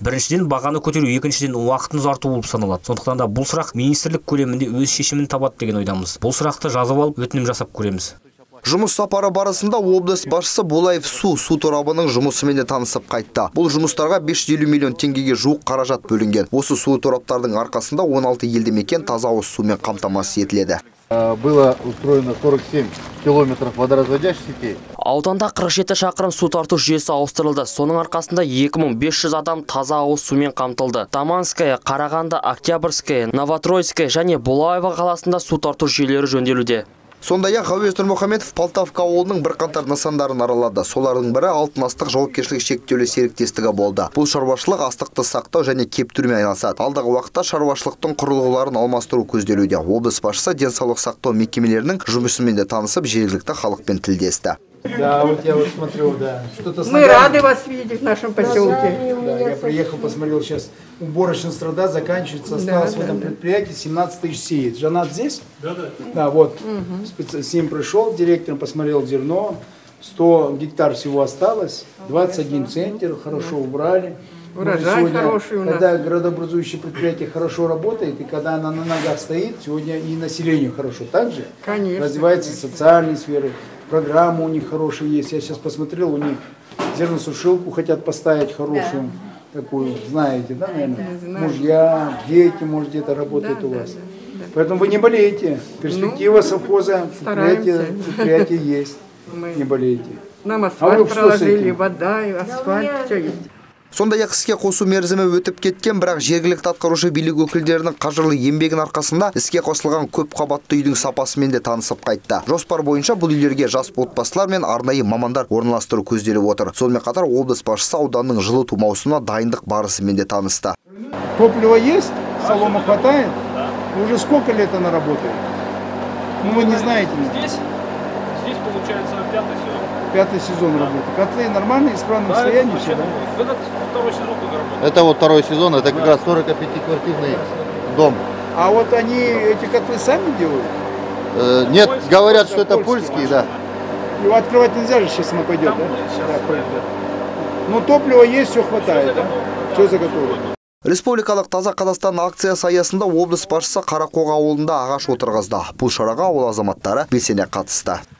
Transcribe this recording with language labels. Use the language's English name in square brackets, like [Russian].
[Kazakh] Біріншіден бағаны көтеру, екіншіден уақытын ұзарту болып саналады. Сондықтан да бұл сұрақ министрлік көлемінде өз шешімін табады деген ойдамыз. Бұл сұрақты жазып алып, өтінім жасап көреміз. Жұмыс сапары барысында облыс басшысы Болаев су торабының жұмысымен де танысып қайтты. Бұл жұмыстарға 550 миллион теңгеге жуық қаражат бөлінген. Осы су тораптардың арқасында 16 елді мекен таза ауыз сумен қамтамасыз етіледі. [Russian] Было устроено 47 километров водоразводящей сети. [Kazakh] Ауданда 47 шақырым су тарту жүйесі ауыстырылды. Соның арқасында 2500 адам таза ауыз сумен қамтылды. Таманская, Қарағанды, Октябрьская, Новотроицкая және Булаева қаласында су тарту жүйелері жөнделуде. Сондай ақ Ғауез Нұрмұхамедов Полтавка ауылының бірқатар нысандарын аралады. Солардың бірі алтын астық жауапкершілігі шектеулі серіктестігі болды. Бұл шаруашылық астықты сақтау және кептірумен айналысады. Алдағы уақытта шаруашылықтың құрылғыларын алмастыру көзделуде. Облыс басшысы денсаулық сақтау мекемелерінің жұмысымен де танысып, жергілікті халықпен тілдесті. [Russian] Да, вот я вот смотрю, да. Что-то мы рады вас видеть в нашем поселке. Да, я приехал, посмотрел, сейчас уборочная страда заканчивается, осталось в этом предприятии 17 тысяч сеять. Женат здесь? Да. Да, вот. С ним пришел директор, посмотрел зерно. 100 гектар всего осталось, 21 центнер, хорошо убрали. Урожай сегодня, хороший у нас. Когда градообразующее предприятие хорошо работает, и когда оно на ногах стоит, сегодня и населению хорошо. Также развивается социальные сферы. Программа у них хорошая есть. Я сейчас посмотрел, у них зерносушилку хотят поставить хорошую, да. Такую, знаете, да, наверное? Да, мужья, дети, может, где-то работают, да, у вас. Да. Поэтому вы не болеете. Перспектива совхоза, предприятие есть. Не болеете. Нам асфальт проложили, вода, асфальт, все есть. [Kazakh] Сонда яқы іске қосу мерзімі өтіп кеткен, бірақ жергілікті атқарушы билік өкілдерінің қажырлы еңбегін арқасында іске қосылған көп қабатты үйдің сапасымен де танысып қайтты. Жоспар бойынша бұл үйлерге жас отбасылар мен арнайы мамандар орналастыру көзделіп отыр. Сонымен қатар облыс басшысы ауданның жылы ту маусына дайындық барысымен де танысты. [Russian] Топливо есть, солома хватает. Уже сколько лет она работает? Ну вы не знаете. Здесь получается пятый сезон. Пятый сезон работы. Котлы нормальные, исправные, да, состояние. Это вот второй сезон, это как раз 45-квартирный дом. А вот они эти котлы сами делают? Нет, польские, говорят, польские, что это польские, да. Его открывать нельзя же, сейчас она пойдет, там, да? Ну, топлива есть, все хватает. Что, да? Что заготовлено? [Kazakh] Республикалық таза Қазақстан акциясы аясында облыс басшысы Қарақоға ауылында ағаш отырғызды. Бұл шараға ауыл азаматтары белсене қатысты.